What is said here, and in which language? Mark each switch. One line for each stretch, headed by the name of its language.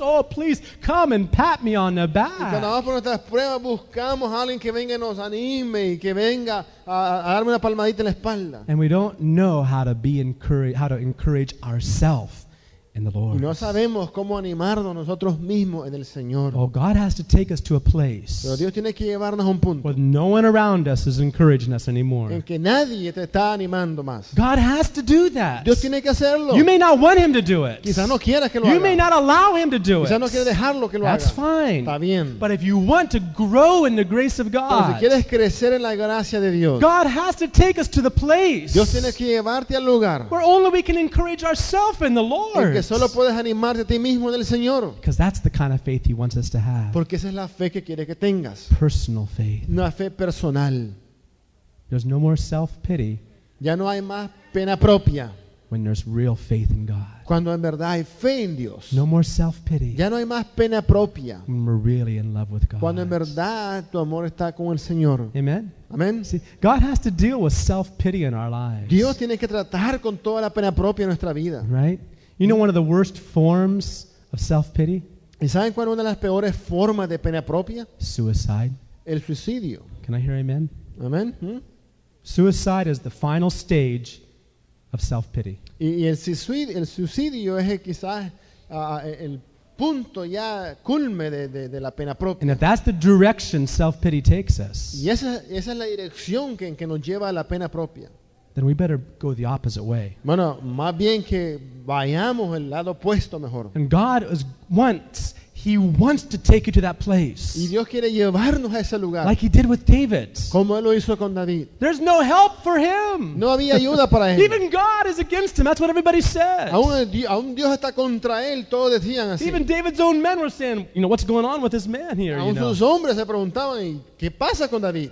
English: Oh, please come and pat me on the back.
Spanish: Y cuando vamos por nuestras pruebas, buscamos a alguien que venga y nos anime y que venga a darme una palmadita en la espalda.
English: And we don't know how to be encouraged, how to encourage ourselves. In the Lord.
Spanish: Y no sabemos cómo animarnos nosotros mismos en el Señor.
English: Oh, God has to take us to a place.
Spanish: Pero Dios tiene que llevarnos a un punto.
English: Where no one around us is encouraging us anymore.
Spanish: En que nadie te está animando más.
English: God has to do that.
Spanish: Dios tiene que hacerlo.
English: You may not want him to do it.
Spanish: Quizá no quieras que lo
English: you
Spanish: haga.
English: May not allow him to do
Spanish: quizá
English: it.
Spanish: Quizá no quieras dejarlo que lo
English: that's
Spanish: haga.
English: Fine.
Spanish: Está bien.
English: But if you want to grow in the grace of God.
Spanish: Pero si quieres crecer en la gracia de Dios.
English: God has to take us to the place.
Spanish: Dios tiene que llevarte al lugar.
English: Where only we can encourage ourselves in the Lord.
Spanish: Solo puedes animarte a ti mismo del Señor.
English: Because that's the kind of faith he wants us to have.
Spanish: Porque esa es la fe que quiere que tengas.
English: Personal faith.
Spanish: Una fe personal.
English: There's no more self-pity.
Spanish: Ya no hay más pena propia.
English: When there's real faith in God.
Spanish: Cuando en verdad hay fe en Dios.
English: No more self-pity.
Spanish: Ya no hay más pena propia.
English: When we're really in love with God.
Spanish: Cuando en verdad tu amor está con el Señor.
English: Amen.
Spanish: Amen.
English: See, God has to deal with self-pity in our lives.
Spanish: Dios tiene que tratar con toda la pena propia en nuestra vida.
English: Right? You know one of the worst forms of self-pity?
Spanish: ¿Y saben cuál es una de las peores formas de pena propia?
English: Suicide.
Spanish: El suicidio.
English: Can I hear amen?
Spanish: Amen. Hmm?
English: Suicide is the final stage of self-pity.
Spanish: Y el suicidio es quizás el punto ya culme de la pena propia.
English: And if that's the direction self-pity takes us.
Spanish: Y esa es la dirección que nos lleva a la pena propia.
English: Then we better go the opposite way.
Spanish: Bueno, más bien que vayamos el lado opuesto mejor.
English: And God wants to take you to that place.
Spanish: Y Dios quiere llevarnos a ese lugar.
English: Like he did with David.
Spanish: Como él lo hizo con David.
English: There's no help for him.
Spanish: No había ayuda para él.
English: Even God is against him. That's what everybody says.
Spanish: Aún Dios está contra él, todos decían así.
English: Even David's own men were saying, you know, what's going on with this man here?
Spanish: Aún sus hombres se preguntaban, ¿qué pasa con David?